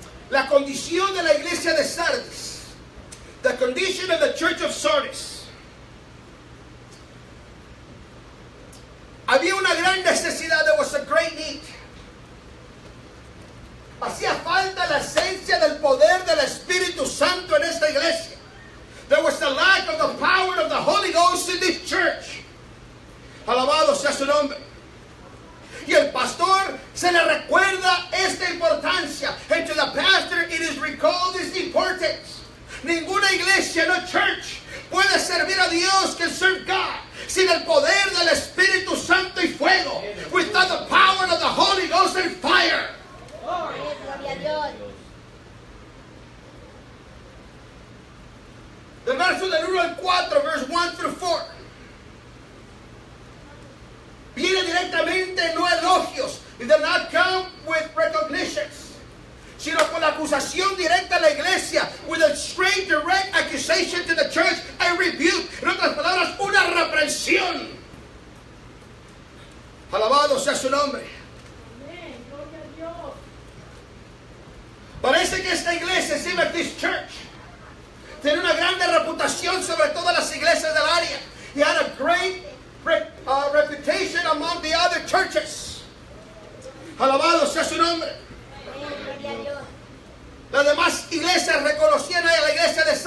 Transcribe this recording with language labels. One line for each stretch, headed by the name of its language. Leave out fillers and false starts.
Spanish: La condición de la iglesia de Sardis,
English: the condition of the church of Sardis,
Spanish: había una gran necesidad.
English: There was a great need.
Spanish: Hacía falta la esencia del poder del Espíritu Santo en esta iglesia.
English: There was a lack of the power of the Holy Ghost in this church.
Spanish: Alabado sea su nombre. Y el pastor se le recuerda esta importancia.
English: And to the pastor it is recalled this importance.
Spanish: Ninguna iglesia,
English: no church,
Spanish: puede servir a Dios,
English: can serve God,
Spanish: sin el poder del Espíritu Santo y fuego.
English: Without the power of the Holy Ghost and fire.
Spanish: Del verso del 1 al 4,
English: verse 1 through 4.
Spanish: Viene directamente, no elogios.
English: It does not come with recognitions.
Spanish: Sino con la acusación directa a la iglesia.
English: With a straight, direct accusation to the church. A rebuke.
Spanish: En otras palabras, una reprensión. Alabado sea su nombre. Parece que esta iglesia, Sima
English: this church,
Spanish: tiene una grande reputación sobre todas las iglesias del área.
English: He had a great reputation among the other churches.
Spanish: Alabado sea su nombre. Las demás iglesias reconocían a la iglesia